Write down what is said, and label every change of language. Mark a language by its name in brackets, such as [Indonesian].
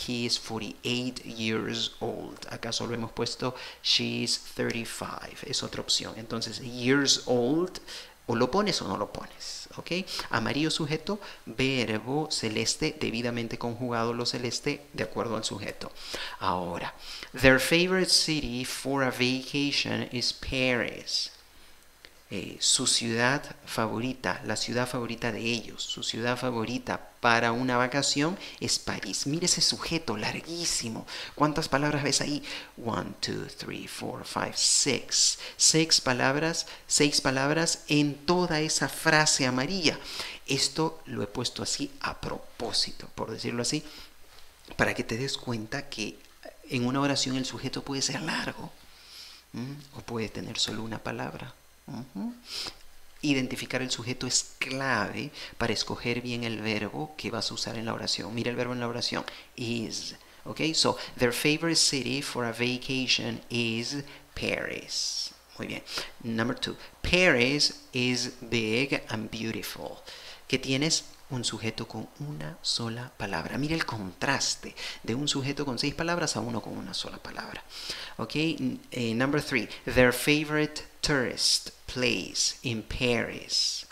[English] He is 48 years old. [Spanish] Acá solo hemos puesto [English] she is 35. [Spanish] Es otra opción. Entonces, years old, o lo pones o no lo pones. ¿Okay? Amarillo sujeto, verbo celeste, debidamente conjugado lo celeste de acuerdo al sujeto. Ahora, [English] their favorite city for a vacation is Paris. [Spanish] Su ciudad favorita, la ciudad favorita de ellos, su ciudad favorita para una vacación es París. Mira ese sujeto larguísimo. ¿Cuántas palabras ves ahí? 1, 2, 3, 4, 5, 6. Seis palabras en toda esa frase amarilla. Esto lo he puesto así a propósito, por decirlo así, para que te des cuenta que en una oración el sujeto puede ser largo, o puede tener solo una palabra. Identificar el sujeto es clave para escoger bien el verbo que vas a usar en la oración. Mira el verbo en la oración, is. [English] Okay, so their favorite city for a vacation is Paris. [Spanish] Muy bien. [English] Number two, Paris is big and beautiful. [Spanish] ¿Qué tienes? Un sujeto con una sola palabra. Mira el contraste de un sujeto con seis palabras a uno con una sola palabra. [English] Okay, number three, their favorite tourist place in Paris.